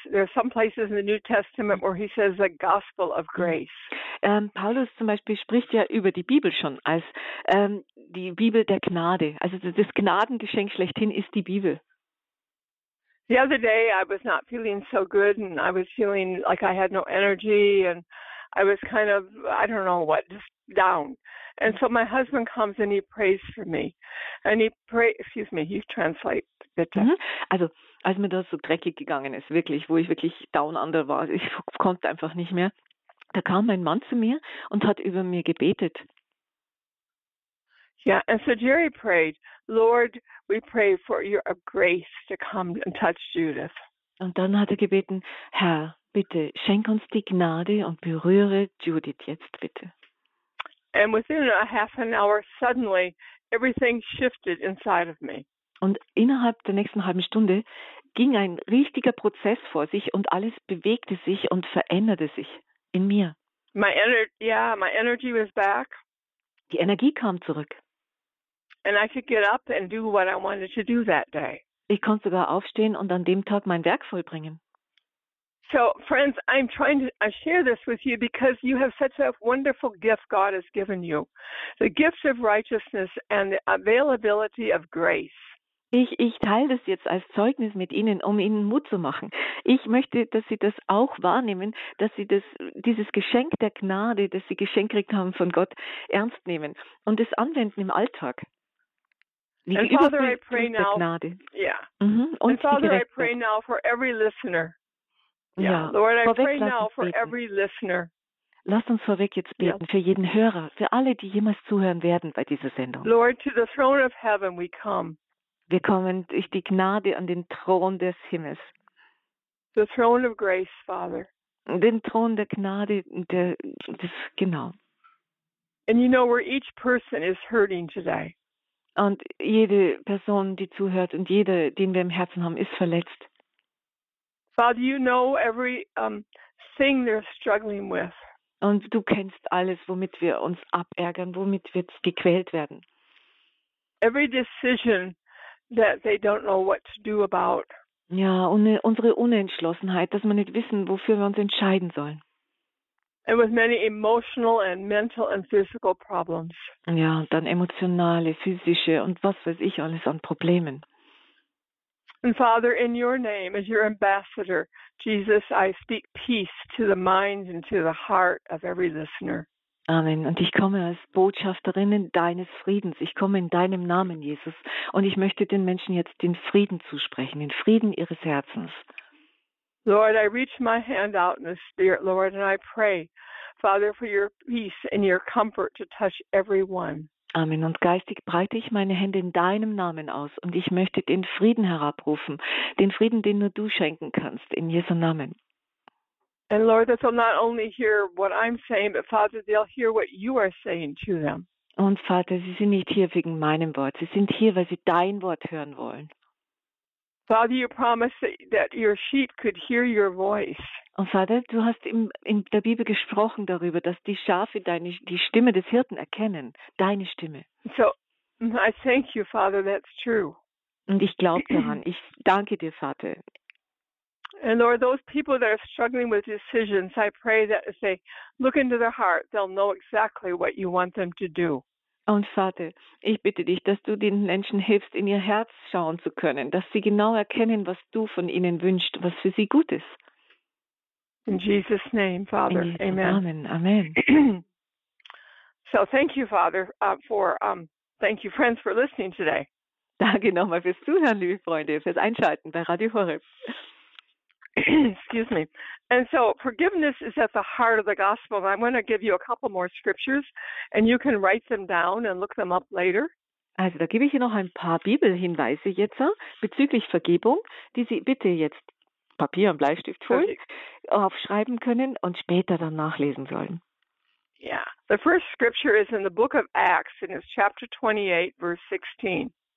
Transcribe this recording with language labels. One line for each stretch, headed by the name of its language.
English: There are some places in the New Testament where he says the gospel of grace.
German: Paulus zum Beispiel spricht ja über die Bibel schon als die Bibel der Gnade. Also das Gnadengeschenk schlechthin ist die Bibel.
English: The other day I was not feeling so good and I was feeling like I had no energy and I was kind of, I don't know what, just down. And so my husband comes and he prays for me. And he translates, bitte.
German: Also, als mir das so dreckig gegangen ist, wirklich, wo ich wirklich
English: down under
German: war, ich konnte einfach nicht mehr, da kam mein Mann zu mir und hat über mir gebetet.
English: Yeah, and so Jerry prayed, Lord, we pray for your grace to come and touch Judith.
German: Und dann hat er gebeten, Herr, bitte schenk uns die Gnade und berühre Judith jetzt, bitte.
English: And within a half an hour, suddenly everything shifted inside of me.
German: Und innerhalb der nächsten halben Stunde ging ein richtiger Prozess vor sich und alles bewegte sich und veränderte sich in mir.
English: My energy was back.
German: Die Energie kam zurück.
English: And I could get up and do what I wanted to do that day.
German: Ich konnte sogar aufstehen und an dem Tag mein Werk vollbringen.
English: So friends, I'm trying to share this with you because you have such a wonderful gift God has given you. The gift of righteousness and the availability of grace.
German: Ich teile das jetzt als Zeugnis mit Ihnen, um Ihnen Mut zu machen. Ich möchte, dass Sie das auch wahrnehmen, dass Sie dieses Geschenk der Gnade, das Sie geschenkt gekriegt haben von Gott, ernst nehmen und es anwenden im Alltag.
English: And Father, I pray now.
German: Gnade. Yeah. Mm-hmm.
English: And Father, I pray now for every listener. Yeah. Lord, I pray now for every listener.
German: Lass uns vorweg jetzt beten für jeden Hörer, für alle, die jemals zuhören werden bei dieser Sendung.
English: Lord, to the throne of heaven we come.
German: Wir kommen durch die Gnade an den Thron des Himmels.
English: The throne of grace, Father.
German: Den Thron der Gnade, genau.
English: And you know where each person is hurting today.
German: Und jede Person, die zuhört und jeder, den wir im Herzen haben, ist verletzt.
English: Father, you know every thing they're struggling with.
German: Und du kennst alles, womit wir uns abärgern, womit wir gequält werden.
English: Every decision that they don't know what to do about.
German: Ja, und unsere Unentschlossenheit, dass wir nicht wissen, wofür wir uns entscheiden sollen.
English: And with many emotional and mental and physical problems.
German: Ja, und dann emotionale, physische und was weiß ich alles an Problemen.
English: And Father, in your name, as your ambassador, Jesus, I speak peace to the mind and to the heart of every listener.
German: Amen. Und ich komme als Botschafterin deines Friedens. Ich komme in deinem Namen, Jesus. Und ich möchte den Menschen jetzt den Frieden zusprechen, den Frieden ihres Herzens.
English: Lord, I reach my hand out in the spirit, Lord, and I pray, Father, for your peace and your comfort to touch everyone.
German: Amen. Und geistig breite ich meine Hände in deinem Namen aus und ich möchte den Frieden herabrufen, den Frieden, den nur du schenken kannst, in Jesu Namen.
English: And Lord, that they'll not only hear what I'm saying, but Father, they'll hear what you are saying to them.
German: Und Vater, sie sind nicht hier wegen meinem Wort, sie sind hier, weil sie dein Wort hören wollen.
English: Father, you promised that your sheep could hear your voice.
German: Und Vater, du hast in der Bibel gesprochen darüber, dass die Schafe die Stimme des Hirten erkennen, deine Stimme.
English: So, I thank you, Father, that's true.
German: Und ich glaube daran. Ich danke dir, Vater.
English: And Lord, those people that are struggling with decisions, I pray that if they look into their heart, they'll know exactly what you want them to do.
German: Und Vater, ich bitte dich, dass du den Menschen hilfst, in ihr Herz schauen zu können, dass sie genau erkennen, was du von ihnen wünschst, was für sie gut ist.
English: In Jesus' name, Father. Amen. Amen. Amen. So, thank you, Father, thank you, friends, for listening today.
German: Danke nochmal fürs Zuhören, liebe Freunde, fürs Einschalten bei Radio Horeb.
English: Excuse me. And so forgiveness is at the heart of the gospel. I'm going to give you a couple more scriptures and you can write them down and look them up later.
German: Also, da gebe ich Ihnen noch ein paar Bibelhinweise jetzt bezüglich Vergebung, die Sie bitte jetzt Papier und Bleistift holen, aufschreiben können und später dann nachlesen sollen. Yeah.
English: The first scripture is in the book of Acts and it's chapter 28 verse 16.